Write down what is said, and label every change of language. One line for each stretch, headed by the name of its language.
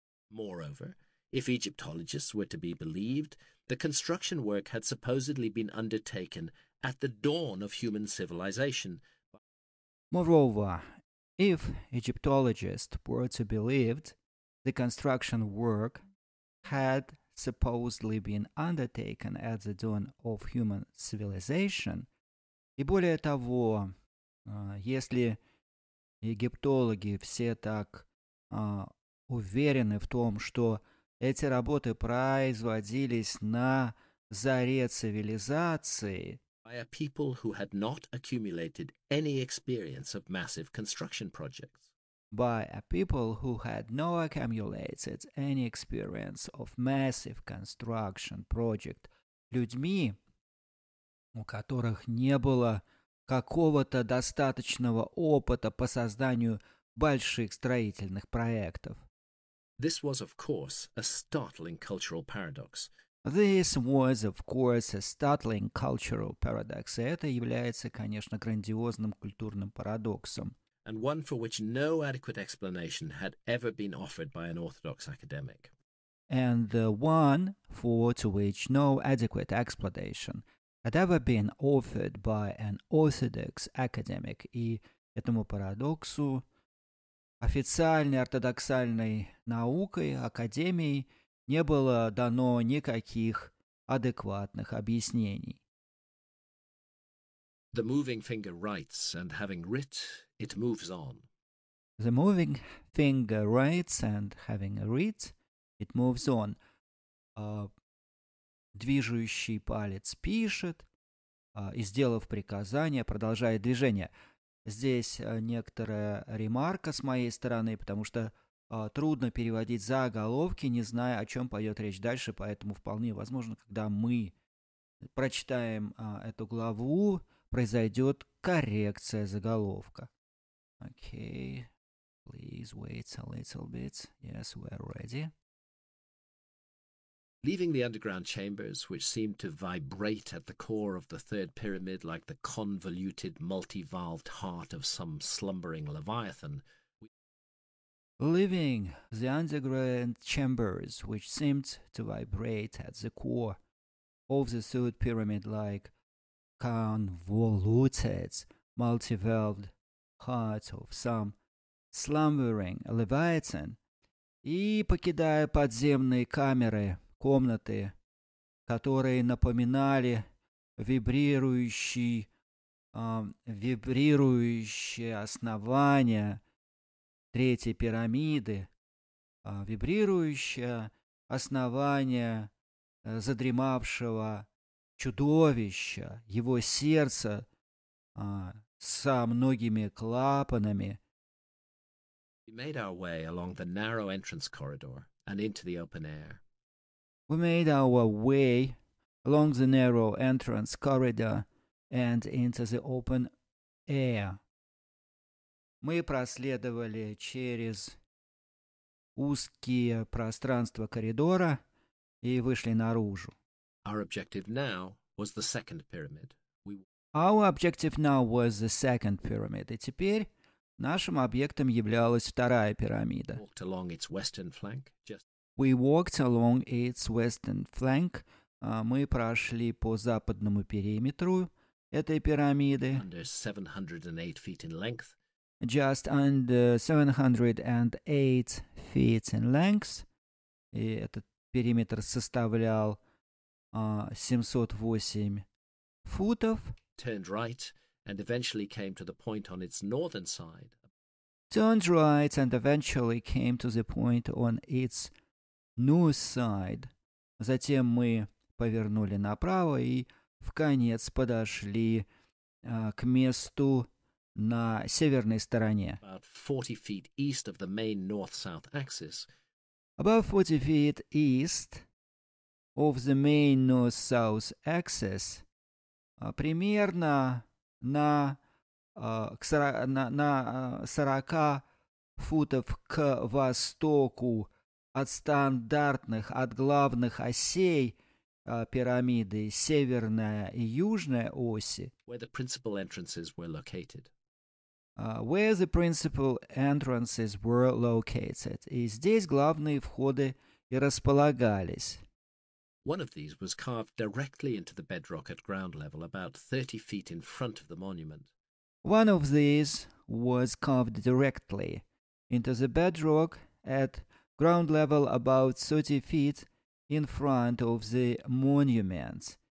English: Moreover, if Egyptologists were to be believed, the construction work had supposedly been undertaken at the dawn of human civilization. Moreover, if Egyptologists were to be believed, the construction work had supposedly been undertaken at the dawn of human civilization.
Russian: И более того, если египтологи все так уверены в том, что эти работы производились на заре цивилизации,
English: by a people who had not accumulated any experience of massive construction projects. By a people who had no accumulated any experience of massive construction project.
Russian: Людьми, у которых не было какого-то достаточного опыта по созданию больших строительных проектов.
English: This was, of course, a startling cultural paradox. This was, of course, a startling cultural paradox.
Russian: Это является, конечно, грандиозным культурным парадоксом.
English: And one for which no adequate explanation had ever been offered by an orthodox academic. And the one for to which no adequate explanation had ever been offered by an orthodox academic.
Russian: И этому парадоксу официальной ортодоксальной наукой, академией, не было дано никаких адекватных объяснений.
English: The moving finger writes, and having writ, it moves on. The moving finger writes, and having writ, it moves on.
Russian: Движущий палец пишет, и, сделав приказание, продолжает движение. Здесь некоторая ремарка с моей стороны, потому что трудно переводить заголовки, не зная, о чем пойдет речь дальше, поэтому вполне возможно, когда мы прочитаем эту главу, произойдет коррекция заголовка.
English: Okay, please wait a little bit. Yes, we're ready. Leaving the underground chambers, which seemed to vibrate at the core of the third pyramid like the convoluted, multivalved heart of some slumbering leviathan. Leaving the underground chambers, which seemed to vibrate at the core of the third pyramid like convoluted, multivalved heart of some slumbering leviathan.
Russian: И покидая подземные камеры, комнаты, которые напоминали вибрирующие основания третьей пирамиды, вибрирующее основание задремавшего чудовища, его сердце со многими клапанами.
English: We made our way along the narrow entrance corridor and into the open air. We made our way along the narrow entrance corridor and into the open air.
Russian: Мы проследовали через узкие пространства коридора и вышли наружу.
English: Our objective now was the second pyramid. Our objective now was the second pyramid.
Russian: И теперь нашим объектом являлась вторая пирамида.
English: Walked along its western flank, just... We walked along its western flank.
Russian: Мы прошли по западному периметру этой пирамиды.
English: Under 708 feet in length. Just under 708 feet in length.
Russian: И этот периметр составлял 708 футов.
English: Turned right and eventually came to the point on its northern side. Turned right and eventually came to the point on its north side.
Russian: Затем мы повернули направо и в конец подошли к месту на северной стороне.
English: About 40 feet east of the main north-south axis. About 40 feet east of the main north-south axis.
Russian: Примерно на 40 футов к востоку от стандартных, от главных осей пирамиды, северная и южная оси,
English: where the principal entrances were located. Where the principal entrances were located.
Russian: И здесь главные входы и располагались.
English: One of these was carved directly into the bedrock at ground level, about 30 feet in front of the monument. One of these was carved directly into the bedrock at ground level, about 30 feet in front of the monument.